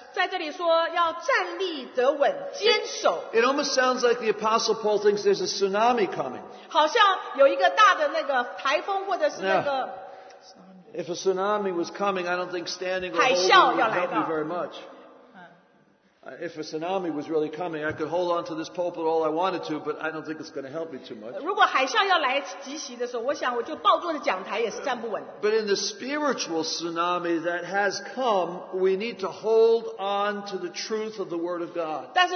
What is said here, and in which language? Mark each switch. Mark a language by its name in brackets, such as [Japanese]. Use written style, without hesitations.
[Chinese] 在这里说要站立得稳，坚守。 [English] It almost sounds like the Apostle Paul thinks there's a tsunami coming. [Chinese] 好像有一个大的那个台风或者是那个。 [English] If a tsunami was coming, I don't think standing or holding would help me very much. If a tsunami was really coming, I could hold on to this pulpit all I wanted to, but I don't think it's going to help me too much. [Chinese] 如果海啸要来集席的时候，我想我就抱住了讲台也是站不稳的。 [English] But in the spiritual tsunami that has come, we need to hold on to the truth of the Word of God.